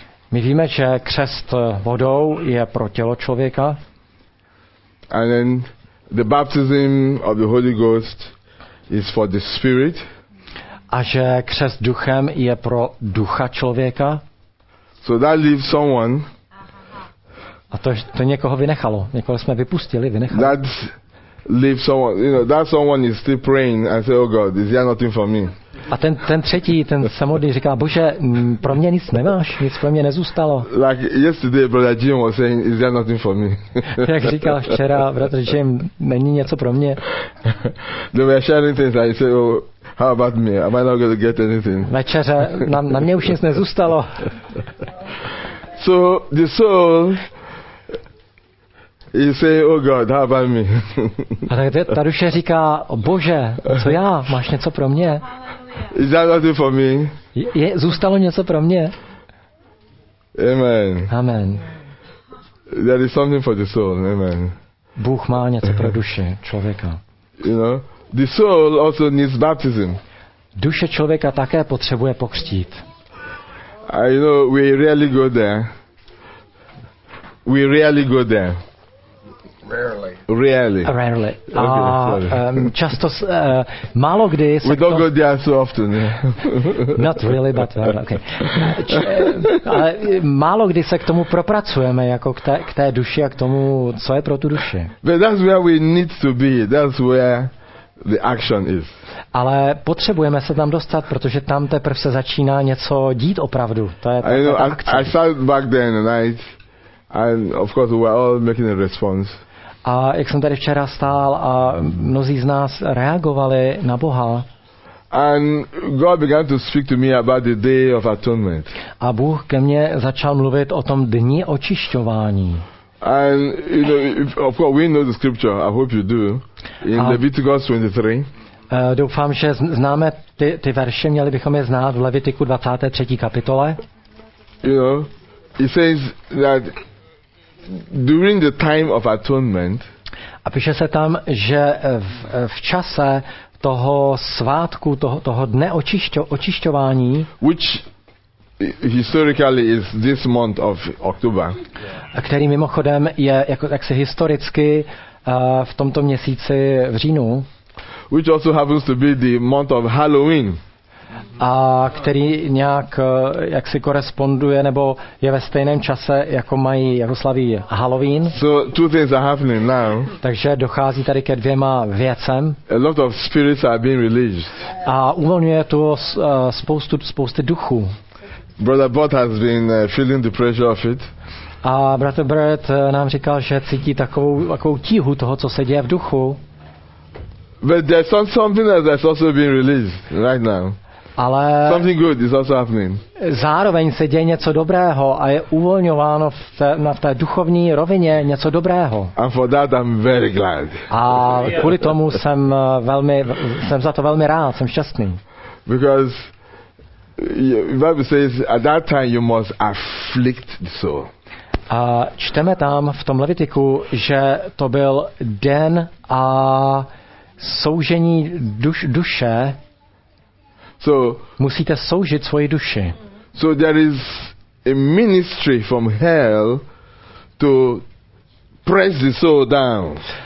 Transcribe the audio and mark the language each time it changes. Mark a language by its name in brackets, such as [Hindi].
[Czech] My víme, že křest vodou je pro tělo člověka. [English] And then the baptism of the Holy Ghost is for the spirit. [Czech] A že křest duchem je pro ducha člověka. [English] So that leaves someone. [Czech] A to někoho vynechalo. Někoho jsme vypustili, vynechali. [English] That leaves someone. You know, that someone is still praying and say, oh God, is there nothing for me? [Czech] A ten třetí, ten samotný říká, Bože, pro mě nic nemáš, nic pro mě nezůstalo. [English] Like yesterday, brother Jim was saying, is there nothing for me? [Czech] Jak říkal včera, bratr Jim, není něco pro mě. [English] They were sharing things and he said, oh, how about me? Am I not going to get anything? [Czech] Večeře, na mě už nic nezůstalo. [English] So the soul is saying, oh God, how about me? [Czech] A tak ta duše říká, Bože, co já? Máš něco pro mě? [English] Is that nothing for me? [Czech] Zůstalo něco pro mě? [English] Amen. [Czech] Amen. [English] There is something for the soul. Amen. [Czech] Bůh má něco pro duši člověka. [English] You know, the soul also needs baptism. [Czech] Duše člověka také potřebuje pokřtít. [English] I know we rarely go there. We rarely go there. Rarely. Rarely. [Czech] Často málo kdy se [English] we don't go there so often. Not really, but okay. [Czech] Ale málo kdy se k tomu propracujeme jako k té duši a k tomu, co je pro tu duši. [English] But that's where we need to be. That's where the action is. [Czech] Ale potřebujeme se tam dostat, protože tam teprve se začíná něco dít opravdu. To je [English] I know, I started back then and of course we were all making a response. [Czech] A jak jsem tady včera stál a mnozí z nás reagovali na Boha. [English] And God began to speak to me about the day of atonement. [Czech] A Bůh ke mně začal mluvit o tom dni očišťování. [English] And you know, if, of course we know the scripture, I hope you do, in Leviticus 23. [Czech] Doufám, že známe ty verše, měli bychom je znát v Levitiku 23. kapitole. [English] You know, it says that during the time of atonement. [Czech] A píše se tam, že v čase toho svátku, toho dne očišťování, [English] which historically is this month of October. [Czech] Který mimochodem je jako jaksi historicky v tomto měsíci v říjnu. [English] Which also happens to be the month of Halloween. [Czech] A který nějak jaksi koresponduje nebo je ve stejném čase jako mají jako slaví Halloween. [English] So two things are happening now. [Czech] Takže dochází tady ke dvěma věcem. [English] A lot of spirits are being released. [Czech] A uvolňuje to spoustu duchů. [English] Brother Bot has been feeling the pressure of it. [Czech] A bratr Brett nám říkal, že cítí takovou tíhu toho, co se děje v duchu. [English] But there's something else that's also being released right now. [Czech] Ale [English] something good is also happening. [Czech] Zároveň se děje něco dobrého a je uvolňováno v té duchovní rovině něco dobrého. [English] And for that I'm very glad. [Czech] A kvůli tomu jsem za to velmi rád, jsem šťastný. [English] Because the Bible says at that time you must afflict the soul. [Czech] A čteme tam v tom Levitiku, že to byl den a soužení duše. [English] So [Czech] musíte soužit svoji duši. [English] So there is a ministry from hell to press the soul down.